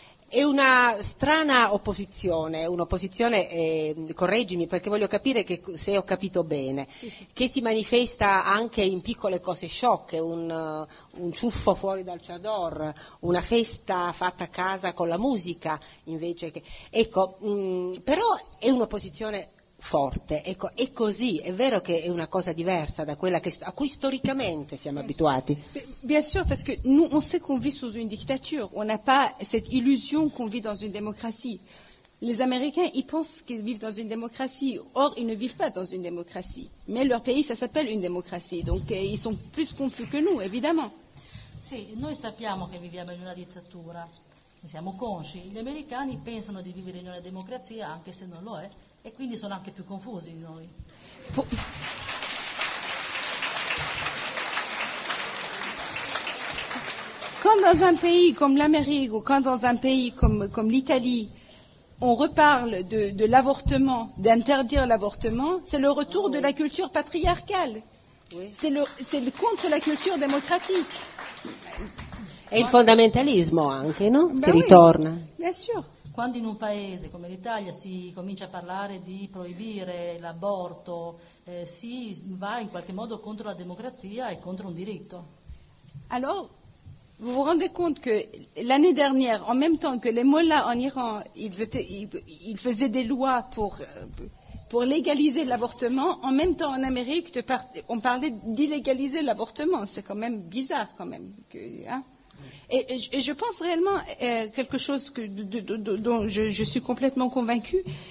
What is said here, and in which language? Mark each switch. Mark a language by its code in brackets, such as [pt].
[it] È una strana opposizione, un'opposizione, correggimi perché voglio capire se ho capito bene, che si manifesta anche in piccole cose sciocche, un ciuffo fuori dal chador, una festa fatta a casa con la musica, invece che... Ecco, però è un'opposizione forte. Ecco, è così, è vero che è una cosa diversa da quella che, a cui storicamente siamo abituati. [fr] Bien sûr, parce que nous on sait qu'on vit sous une dictature, on n'a pas cette illusion qu'on vit dans une démocratie. Les Américains, ils pensent qu'ils vivent dans une démocratie. Or, ils ne vivent pas dans une démocratie. Mais leur pays, ça s'appelle une démocratie. Donc, ils sont plus confus que nous, évidemment. [it] Sì, noi sappiamo che viviamo in una dittatura. Ne siamo consci. Gli americani pensano di vivere in una democrazia, anche se non lo è, e quindi sono anche più confusi di noi. [fr] Quand dans un pays comme l'Amérique ou quand dans un pays comme l'Italie on reparle de l'avortement, d'interdire l'avortement, c'est le retour de la culture patriarcale. Oui. C'est le contre la culture démocratique. Et le fondamentalisme [it] anche, non? Che ritorna. [fr] Bien sûr. [it] Quando in un paese come l'Italia si comincia a parlare di proibire l'aborto, si va in qualche modo contro la democrazia e contro un diritto. [fr] Alors, vous vous rendez compte que l'année dernière, en même temps que les mollahs en Iran, ils faisaient des lois pour légaliser l'avortement, en même temps en Amérique, on parlait d'illégaliser l'avortement. C'est quand même bizarre, quand même. Et je pense réellement quelque chose dont je suis complètement convaincue.